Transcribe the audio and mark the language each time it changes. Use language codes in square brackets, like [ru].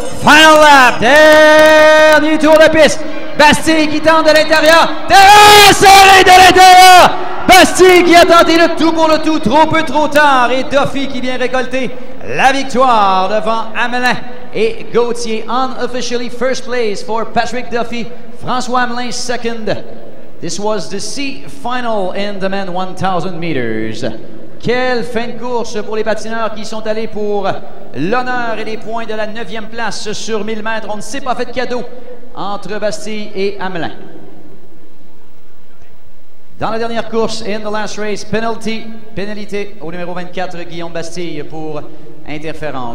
[en] Final lap, [fr] dernier tour de piste. Bastille qui tente de l'intérieur. Serré de l'intérieur. Bastille qui a tenté le tout pour le tout, trop peu trop tard. Et Duffy qui vient récolter la victoire devant Hamelin et Gauthier. [en] Unofficially first place for Patrick Duffy. François Hamelin second. This was the C final in the men 1000 meters. [fr] Quelle fin de course pour les patineurs qui sont allés pour l'honneur et les points de la 9e place sur 1000 mètres. On ne s'est pas fait de cadeau entre Bastille et Hamelin. Dans la dernière course, [en] in the last race, [fr] pénalité au numéro 24, Guillaume Bastille, pour interférence.